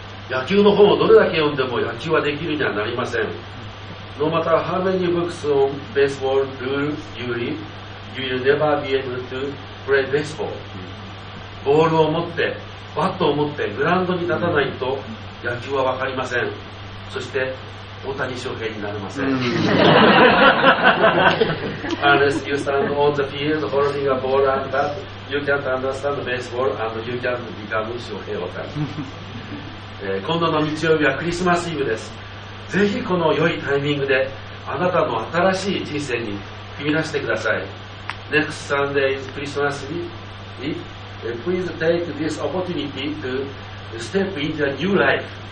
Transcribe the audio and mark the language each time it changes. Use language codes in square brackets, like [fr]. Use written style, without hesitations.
[ja] 野球の本をどれだけ読んでも野球はできるにはなりません。 [en] No matter how many books on baseball rules you read, you will never be able to play baseball。 [ja] ボールを持ってバットを持ってグラウンドに立たないと野球は分かりません。そして大谷翔平になれません。 [en] Unless you stand on the field holding a ball and bat, you can't understand baseball and you can't become 翔平大谷。 [ja] 今度の日曜日はクリスマスイブです。ぜひこの良いタイミングであなたの新しい人生に踏み出してください。 [en] Next Sunday is Christmas Eve。 Please take this opportunity to step into a new life.